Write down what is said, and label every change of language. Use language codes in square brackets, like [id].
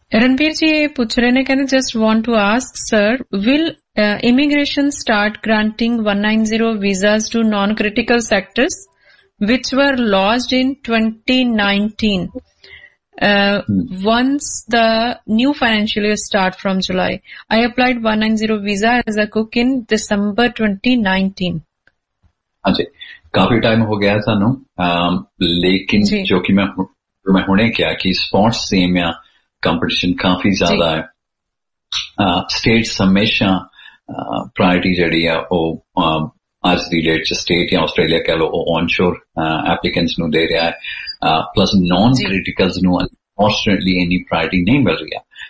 [pa] ਰਣਵੀਰ ਜੀ ਇਹ ਪੁੱਛ ਰਹੇ ਨੇ ਕਹਿੰਦੇ [en] Just want to ask sir, will immigration start granting 190 visas to non critical sectors ਵਿਚ were lost in 2019 once the new financial year start from July? I applied 190 visa as a cook in December 2019. [pa] ਹਾਂਜੀ ਕਾਫੀ time ਹੋ ਗਿਆ ਸਾਨੂੰ, ਲੇਕਿਨ ਜੋ ਕਿ ਮੈਂ ਹੁਣੇ ਕਿਹਾ ਕਿ ਸਪੋਟਸ ਸੇਮ ਆ, ਕੰਪਟੀਸ਼ਨ ਕਾਫੀ ਜ਼ਿਆਦਾ ਹੈ, ਸਟੇਟਸ ਹਮੇਸ਼ਾ ਪ੍ਰਾਇਰਟੀ ਜਿਹੜੀ ਆ ਉਹ ਅੱਜ ਦੀ ਡੇਟ ਚ ਸਟੇਟ ਜਾਂ ਆਸਟ੍ਰੇਲੀਆ ਕਹਿ ਲਓ ਉਹ ਔਨਸ਼ੋਰ ਐਪਲੀਕੈਂਟਸ ਨੂੰ ਦੇ ਰਿਹਾ ਹੈ, ਪਲਸ ਨਾਨ ਕ੍ਰਿਟੀਕਲ ਨੂੰ ਅਨਫੋਰਚੁਨੇਟਲੀ ਇੰਨੀ ਪ੍ਰਾਇਰਟੀ ਨਹੀਂ ਮਿਲ ਰਹੀ ਆ।